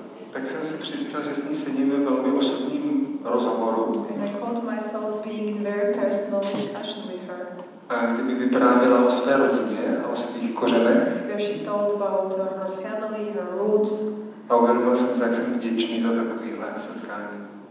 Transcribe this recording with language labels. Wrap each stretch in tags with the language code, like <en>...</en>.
<cs>Tak jsem si přistěl, že s ní sedím ve velmi osobním rozhovoru.</cs> <en>And I caught myself being in very personal discussion with her.</en> <cs>A kdyby vyprávěla o své rodině a o svých kořenech.</cs> <en>Where she told about her family, her roots.</en> <cs>A uvědomil jsem se, jak jsem vděčný za takovýhle setkání.</cs>